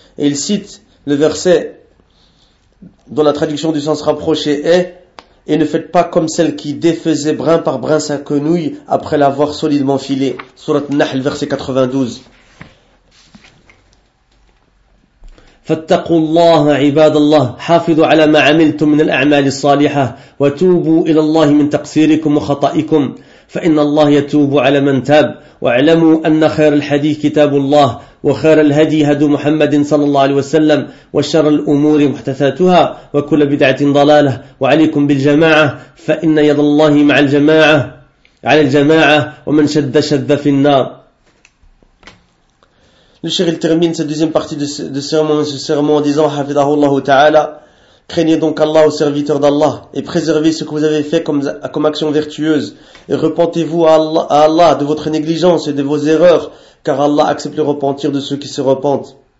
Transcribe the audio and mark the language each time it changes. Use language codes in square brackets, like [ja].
[fr] Et il cite le verset dont la traduction du sens rapproché est « Et ne faites pas comme celle qui défaisait brin par brin sa quenouille après l'avoir solidement filé. » Surat Nahl, verset 92. « [ar] Fattaqu Allah, ibadallah, hafidhu ala ma'amiltum min al-a'mali salihah, wa tubu ila Allah min taqsirikum wa khata'ikum. » فإن الله يتوب على من تاب واعلموا أن خير الحديث كتاب الله وخير الهدي هدي محمد صلى الله عليه وسلم وشر الأمور محدثاتها وكل بدعة ضلالة وعليكم بالجماعة فإن يد الله مع الجماعة على الجماعة ومن شد في النار. [fr] Le cheikh il termine cette deuxième partie de ce sermon en disant [ar] حفظه الله تعالى. [fr] Craignez donc Allah, au serviteur d'Allah, et préservez ce que vous avez fait comme action vertueuse. Et repentez-vous à Allah de votre négligence et de vos erreurs, car Allah accepte le repentir de ceux qui se repentent.